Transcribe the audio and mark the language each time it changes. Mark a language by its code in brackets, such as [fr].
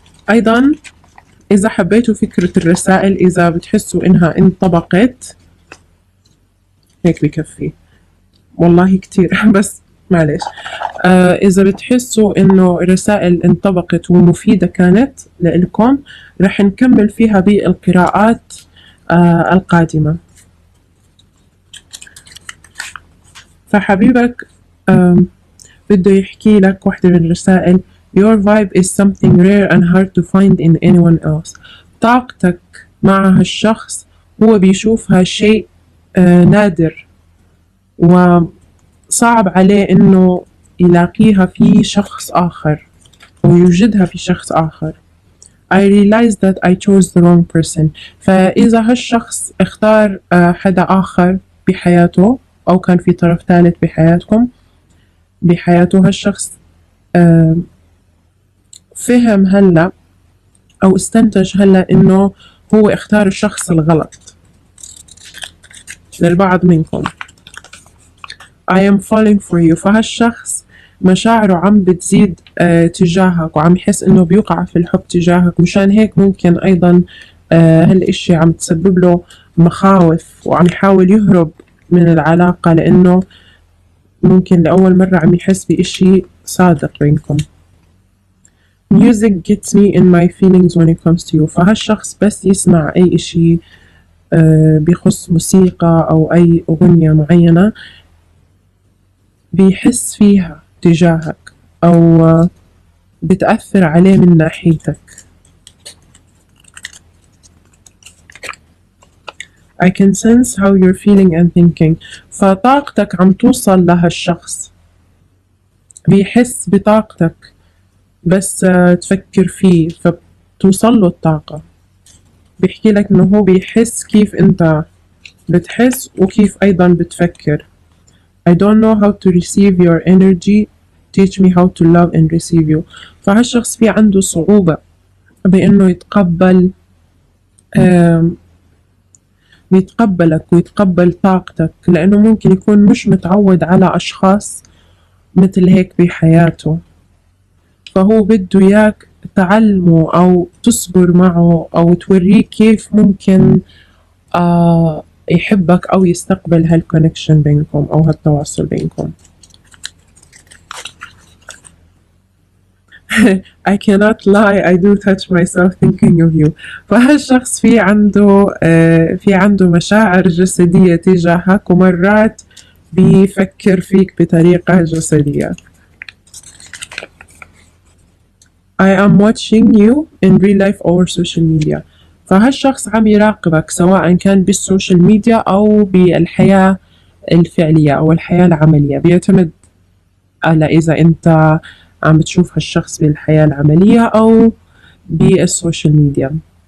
[ar] أيضا إذا حبيتوا فكرة الرسائل، إذا بتحسوا إنها انطبقت هيك بكفي، والله كتير بس معلش. إذا بتحسوا إنه رسائل انطبقت ومفيدة كانت لإلكم، رح نكمل فيها بالقراءات القادمة. فحبيبك بده يحكي لك واحدة من الرسائل: [en] Your vibe is something rare and hard to find in anyone else. [ar] طاقتك مع هالشخص هو بيشوفها شيء نادر وصعب عليه انه يلاقيها في شخص اخر ويوجدها في شخص اخر. [en] I realized that I chose the wrong person. [ar] فإذا هالشخص اختار حدا اخر بحياته أو كان في طرف ثالث بحياتكم، بحياته هالشخص، فهم هلأ أو استنتج هلأ إنه هو اختار الشخص الغلط. للبعض منكم [en] I am falling for you. [ar] فهالشخص مشاعره عم بتزيد تجاهك وعم يحس إنه بيوقع في الحب تجاهك، مشان هيك ممكن أيضا هالإشي عم تسبب له مخاوف وعم يحاول يهرب من العلاقة، لأنه ممكن لأول مرة عم يحس بإشي صادق بينكم. [en] Music gets me in my feelings when it comes to you. [ar] فهالشخص بس يسمع أي إشي بيخص موسيقى أو أي أغنية معينة بيحس فيها تجاهك أو بتأثر عليه من ناحيتك. [en] I can sense how you're feeling and thinking. [ar] فطاقتك عم توصل لهالشخص، بيحس بطاقتك بس تفكر فيه فبتوصل له الطاقة. بيحكي لك انه هو بيحس كيف انت بتحس وكيف ايضا بتفكر. [en] I don't know how to receive your energy. Teach me how to love and receive you. [ar] فهالشخص في عنده صعوبة بانه يتقبل يتقبلك ويتقبل طاقتك، لانه ممكن يكون مش متعود على اشخاص مثل هيك بحياته. فهو بده اياك تعلمه او تصبر معه او توريه كيف ممكن يحبك او يستقبل هالكونكشن بينكم او هالتواصل بينكم. [en] I cannot lie, I do touch myself thinking of you. [ar] فهالشخص في عنده مشاعر جسدية تجاهك، ومرات بيفكر فيك بطريقة جسدية. [en] I am watching you in real life over social media. [ar] فهالشخص عم يراقبك سواء كان بالسوشيال ميديا أو بالحياة الفعلية أو الحياة العملية. بيعتمد على إذا أنت عم تشوف هالشخص بالحياة العملية أو بالسوشيال ميديا.